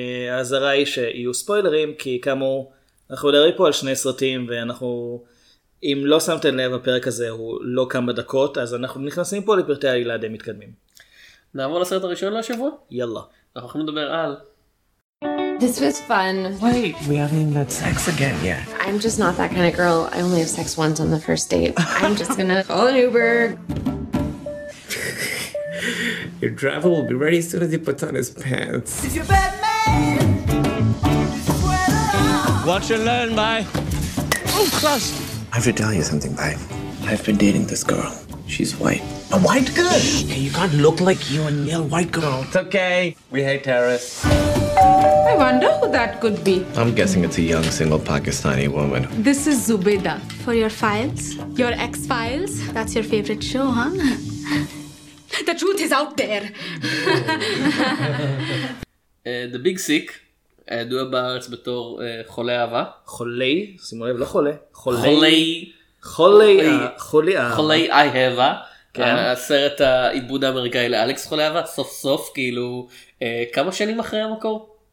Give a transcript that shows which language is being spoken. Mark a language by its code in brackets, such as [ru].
[he] העזרה היא שיהיו ספוילרים, כי כאמור, אנחנו מדברים פה על שני סרטים, ואנחנו, אם לא שמתם לב, הפרק הזה הוא לא כמה דקות, אז אנחנו נכנסים פה לפרטי העלילה די מתקדמים. נעבור לסרט הראשון לשבוע? יאללה. אנחנו הולכים לדבר על... [en] This was fun. Wait, we haven't even had sex again yet. I'm just not that kind of girl. I only have sex once on the first date. I'm just gonna call an Uber. Your driver will be ready as soon as he puts on his pants. Is your bed made? Watch and learn, bye. Oh, crush. I have to tell you something, bye. I've been dating this girl. She's white. A white girl? Shh. Hey, you can't look like you and yell white girl. It's okay. We hate terrorists. I wonder who that could be. I'm guessing it's a young, single Pakistani woman. This is Zubeda. For your files? Your X-Files? That's your favorite show, huh? The truth is out there. [he] the big sick, הידוע בארץ בתור חולי אהבה. חולי, שימו לב, לא חולי. חולי. חולי. חולי אהבה. חולי אהבה. כן. הסרט העיבוד האמריקאי לאלכס חולי אהבה, סוף סוף, כאילו, כמה שנים אחרי המקור?